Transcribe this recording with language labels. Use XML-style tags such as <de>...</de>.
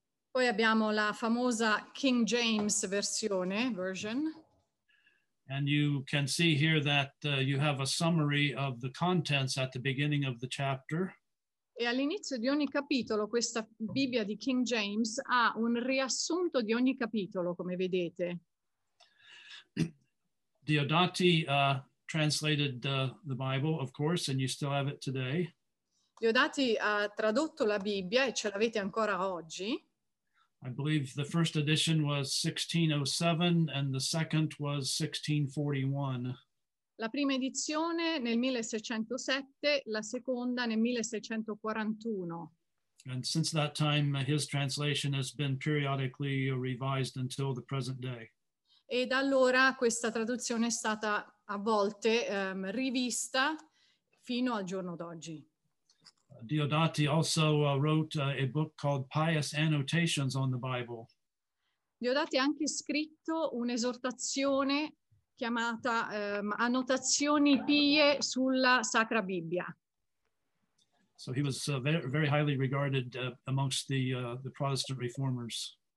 <it>Poi abbiamo la famosa King James versione, version.</it> <en>And you can see here that you have a summary of the contents at the beginning of the chapter.</en> <it>E all'inizio di ogni capitolo questa Bibbia di King James ha un riassunto di ogni capitolo, come vedete.</it> <en>Diodati translated the Bible, of course, and you still have it today.</en> <it>Diodati ha tradotto la Bibbia e ce l'avete ancora oggi.</it> <en>I believe the first edition was 1607 and the second was 1641.</en> <it>La prima edizione nel 1607, la seconda nel 1641.</it> <en>And since that time, his translation has been periodically revised until the present day.</en> <it>E da allora questa traduzione è stata a volte rivista fino al giorno d'oggi.</it> <en>Diodati also wrote a book called Pious Annotations on the Bible.</en> <it>Diodati ha anche scritto un'esortazione chiamata Annotazioni pie sulla Sacra Bibbia.</it> <en>So he was very highly regarded amongst the Protestant reformers.</en>